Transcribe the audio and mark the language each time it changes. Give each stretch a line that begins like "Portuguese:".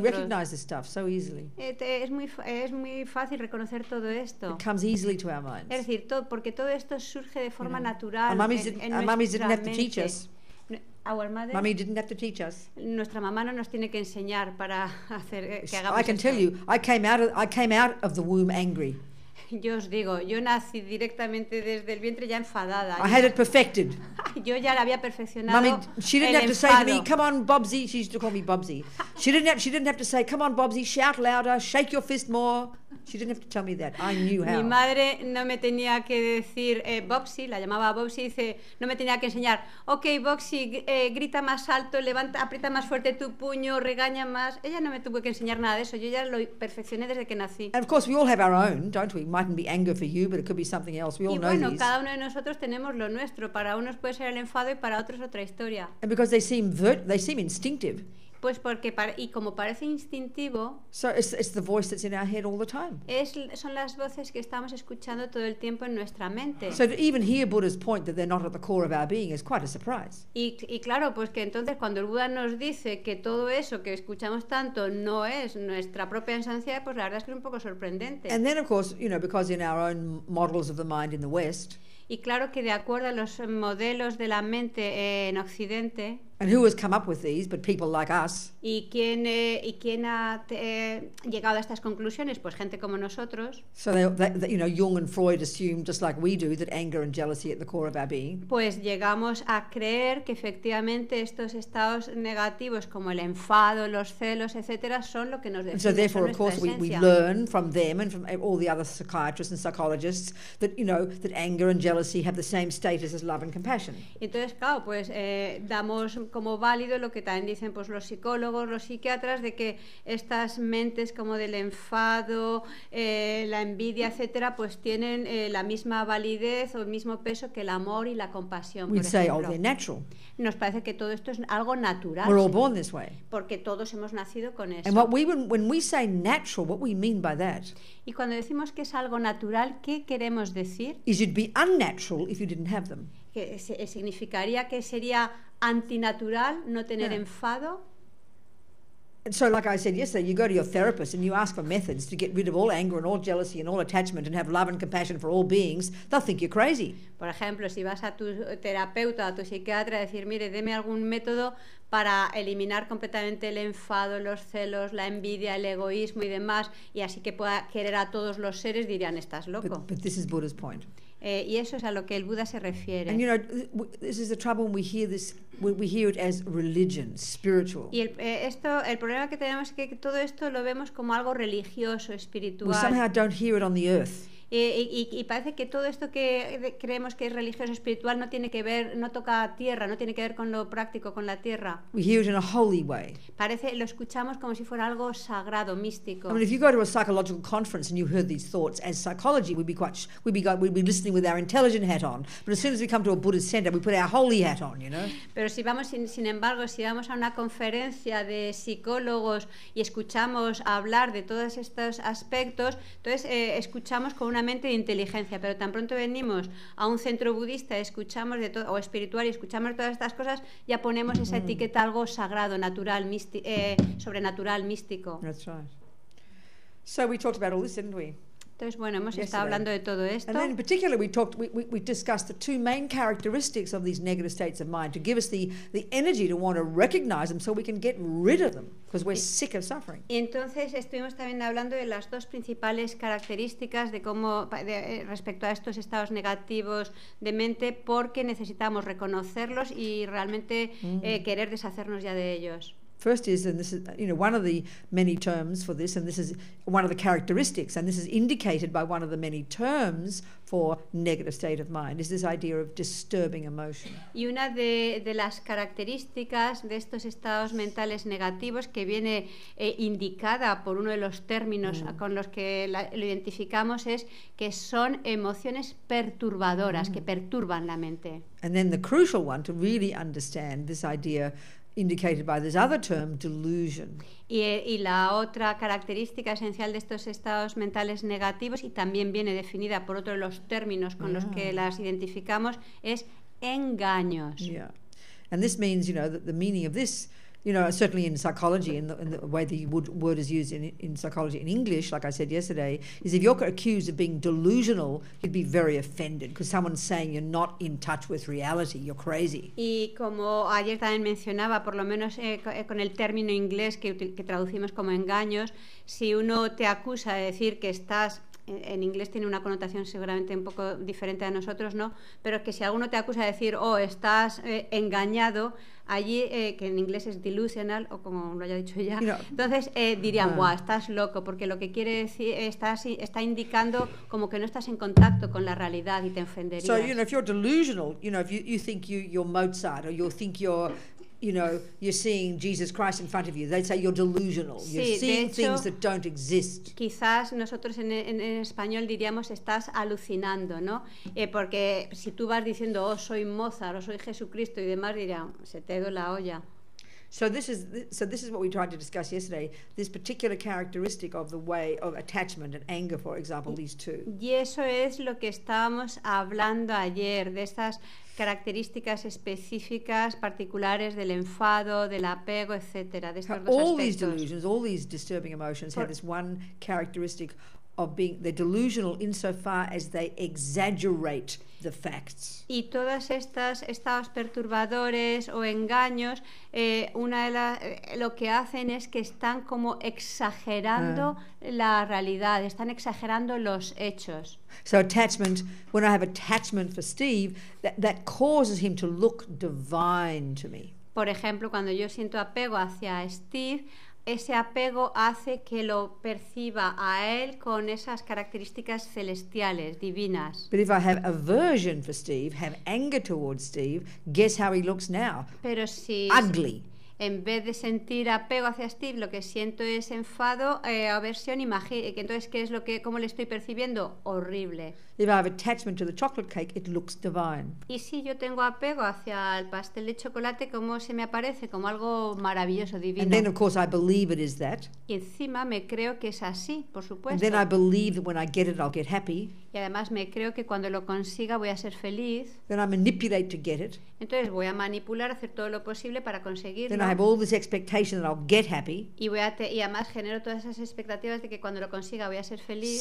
English: We recognize this stuff so easily.
Spanish: Es muy fácil reconocer todo esto.
English: It comes easily to our minds.
Spanish: Es decir, porque todo esto surge de forma natural. Nuestra mamá no nos tiene que enseñar para hacer que hagamos esto.
English: I can tell you, I came out of the womb angry.
Spanish: Yo os digo, yo nací directamente desde el vientre ya enfadada.
English: I had it perfected.
Spanish: Yo ya la había perfeccionado.
English: Mommy, she didn't have to say to me, "Come on, Bobsy." She used to call me Bobsy. She didn't have to say, "Come on, Bobsy, shout louder, shake your fist more." She didn't have to tell me that. I knew how.
Spanish: Mi madre no me tenía que decir Bobsy, la llamaba Bobsy, dice, no me tenía que enseñar. Okay, Bobsy, grita más alto, levanta, aprieta más fuerte tu puño, regaña más. Ella no me tuvo que enseñar nada de eso. Yo ya lo perfeccioné desde que nací.
English: And of course, we all have our own, don't we? It mightn't be anger for you, but it could be something else. We all know these.
Spanish: Y bueno, cada uno de nosotros tenemos lo nuestro. Para unos puede ser el enfado y para otros otra historia.
English: And because they seem instinctive.
Spanish: Pues porque y como parece instintivo.
English: So it's the voice that's in our head all the time.
Spanish: Son las voces que estamos escuchando todo el tiempo en nuestra mente.
English: So to even hear Buddha's point that they're not at the core of our being is quite a surprise.
Spanish: Y claro, pues que entonces cuando el Buda nos dice que todo eso que escuchamos tanto no es nuestra propia esencia, pues la verdad es que es un poco sorprendente.
English: And then of course, you know, because in our own models of the mind in the West.
Spanish: Y claro que de acuerdo a los modelos de la mente en Occidente.
English: And who has come up with these but people like us?
Spanish: ¿Y quién ha llegado a estas conclusiones? Pues gente como nosotros.
English: So they, you know, Jung and Freud assume just like we do that anger and jealousy at the core of our being.
Spanish: Pues llegamos a creer que efectivamente estos estados negativos como el enfado, los celos, etcétera, son lo que nos define.
English: And so therefore, of course, we learn from them and from all the other psychiatrists and psychologists that, you know, that anger and jealousy have the same status as love and compassion.
Spanish: Entonces, claro, pues damos como válido lo que también dicen pues los psicólogos, los psiquiatras, de que estas mentes como del enfado, la envidia, etcétera, pues tienen la misma validez o el mismo peso que el amor y la compasión.
English: We'd
Spanish: por
English: say,
Spanish: ejemplo,
English: oh, they're natural.
Spanish: Nos parece que todo esto es algo natural.
English: We're all born this way.
Spanish: Porque todos hemos nacido con eso.
English: And what we, when we say natural, what we mean by that?
Spanish: Y cuando decimos que es algo natural, ¿qué queremos decir?
English: Is it be unnatural if you didn't have them?
Spanish: Que significaría que sería antinatural no tener enfado.
English: And so, like I said yesterday, you go to your therapist and you ask for methods to get rid of all anger and all jealousy and all attachment and have love and compassion for all beings. They'll think you're crazy.
Spanish: Por ejemplo, si vas a tu terapeuta, a tu psiquiatra, a decir, mire, deme algún método para eliminar completamente el enfado, los celos, la envidia, el egoísmo y demás, y así que pueda querer a todos los seres, dirían, estás loco.
English: But this is Buddha's point.
Spanish: Y eso es a lo que el Buda se refiere.
English: And you know, this is the trouble when we hear this, when we hear it as religion, spiritual.
Spanish: Y el problema que tenemos es que todo esto lo vemos como algo religioso, espiritual.
English: We somehow don't hear it on the earth.
Spanish: Y parece que todo esto que creemos que es religioso, espiritual, no tiene que ver, no toca tierra, no tiene que ver con lo práctico, con la tierra.
English: We hear it in a holy way.
Spanish: Parece, lo escuchamos como si fuera algo sagrado, místico.
English: I mean, if you go to a psychological conference and you heard these thoughts, as psychology, we'd be listening with our intelligent hat on. But as soon as we come to a Buddhist center, we put our holy hat on, you know.
Spanish: Pero si vamos, sin embargo, si vamos a una conferencia de psicólogos y escuchamos hablar de todos estos aspectos, entonces escuchamos como una mente de inteligencia, pero tan pronto venimos a un centro budista, escuchamos de todo, o espiritual, y escuchamos todas estas cosas, ya ponemos esa etiqueta algo sagrado, natural, sobrenatural, místico.
English: That's right. So we talked about all this, didn't we?
Spanish: Entonces, bueno, hemos estado hablando de todo esto.
English: And then in particular we discussed the two main characteristics of these negative states of mind to give us the energy to want to recognize them so we can get rid of them because we're sick of suffering.
Spanish: Y entonces estuvimos también hablando de las dos principales características de cómo respecto a estos estados negativos de mente, porque necesitamos reconocerlos y realmente querer deshacernos ya de ellos.
English: First is, and this is, you know, one of the many terms for this, and this is one of the characteristics, and this is indicated by one of the many terms for negative state of mind, is this idea of disturbing emotion.
Spanish: Y una de las características de estos estados mentales negativos que viene indicada por uno de los términos con los que lo identificamos es que son emociones perturbadoras, que perturban la mente.
English: And then the crucial one to really understand this idea indicated by this other term, delusion.
Spanish: Y la otra característica esencial de estos estados mentales negativos, y también viene definida por otro de los términos con los que las identificamos, es engaños.
English: Yeah. And this means, you know, that the meaning of this, you know, certainly in psychology, in the way the word is used in psychology in English, like I said yesterday, is if you're accused of being delusional, you'd be very offended because someone's saying you're not in touch with reality, you're crazy.
Spanish: Y como ayer también mencionaba, por lo menos con el término inglés que traducimos como engaños, si uno te acusa de decir que estás... En inglés tiene una connotación seguramente un poco diferente a nosotros, ¿no? Pero que si alguno te acusa de decir, oh, estás engañado, allí, que en inglés es delusional, o como lo haya dicho ella, entonces dirían, guau, estás loco, porque lo que quiere decir, está indicando como que no estás en contacto con la realidad y te ofenderías.
English: So, you know, if you're delusional, you know, if you think you're Mozart, or you think you're seeing Jesus Christ in front of you. They say you're delusional.
Spanish: Sí,
English: you're seeing
Spanish: de hecho,
English: things that don't exist.
Spanish: Quizás nosotros en español diríamos estás alucinando, ¿no? Porque si tú vas diciendo, oh, soy Mozart o soy Jesucristo y demás, dirán, se te ha ido la olla.
English: So this is what we tried to discuss yesterday. This particular characteristic of the way of attachment and anger, for example, these two.
Spanish: Y eso es lo que estábamos hablando ayer de estas características específicas, particulares del enfado, del apego, etcétera, de estos dos aspectos.
English: All these delusions, all these disturbing emotions have this one characteristic of being they're delusional insofar as they exaggerate the facts.
Spanish: Y todas estas estados perturbadores o engaños, lo que hacen es que están como exagerando la realidad, están exagerando los hechos.
English: So attachment, when I have attachment for Steve, that causes him to look divine to me.
Spanish: Por ejemplo, cuando yo siento apego hacia Steve, ese apego hace que lo perciba a él con esas características celestiales, divinas.
English: But if I have aversion for Steve, have anger towards Steve, guess how he looks now?
Spanish: Pero si
English: ugly.
Spanish: En vez de sentir apego hacia Steve, lo que siento es enfado, aversión, entonces qué es lo que cómo le estoy percibiendo? Horrible.
English: If I have attachment to the chocolate cake, it looks divine.
Spanish: Y si yo tengo apego hacia el pastel de chocolate, ¿cómo se me aparece? Como algo maravilloso, divino.
English: And then of course I believe it is that.
Spanish: Y encima me creo que es así, por supuesto.
English: And then I believe that when I get it I'll get happy.
Spanish: Y además me creo que cuando lo consiga voy a ser feliz.
English: Then I manipulate to get it.
Spanish: Entonces voy a manipular, hacer todo lo posible para conseguirlo.
English: And I have all this expectation that I'll get happy.
Spanish: Y además genero todas esas expectativas de que cuando lo consiga voy a ser feliz.